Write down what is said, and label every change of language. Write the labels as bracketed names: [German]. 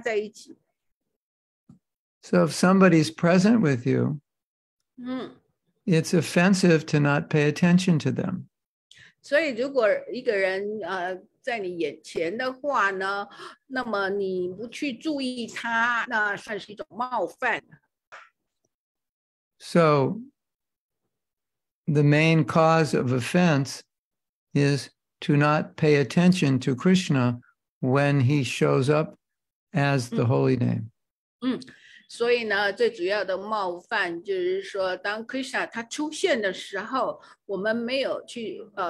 [Chinese] 当我们在念诵他的名字呢，他同意我们跟着他在一起。 [English] So if somebody's present with you, it's offensive to not pay attention to them. [Chinese] 所以如果一个人 在你眼前的话呢，那么你不去注意它，那算是一种冒犯。 [English] So the main cause of offense is to not pay attention to Krishna when he shows up as the holy name. [Chinese] 所以呢，最主要的冒犯就是说，当 Krishna 他出现的时候，我们没有去